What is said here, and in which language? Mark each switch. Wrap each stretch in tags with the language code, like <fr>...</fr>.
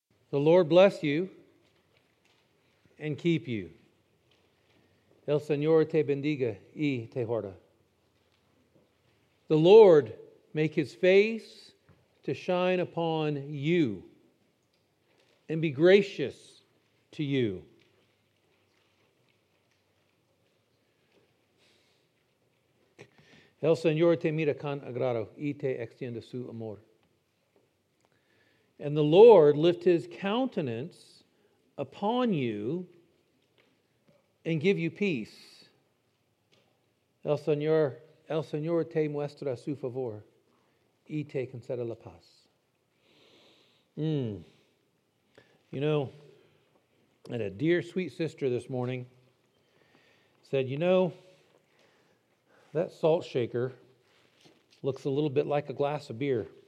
<en>The Lord bless you and keep you.</en> <es>El Señor te bendiga y te guarda.</es> <en>The Lord make His face to shine upon you and be gracious to you.</en> <es>El Señor te mira con agrado y te extiende su amor.</es> <en>And the Lord lift His countenance upon you and give you peace.</en> <es>El Señor te muestra su favor y te concede la paz.</es> <en>You know, and a dear sweet sister this morning said, you know, that salt shaker looks a little bit like a glass of beer.</en>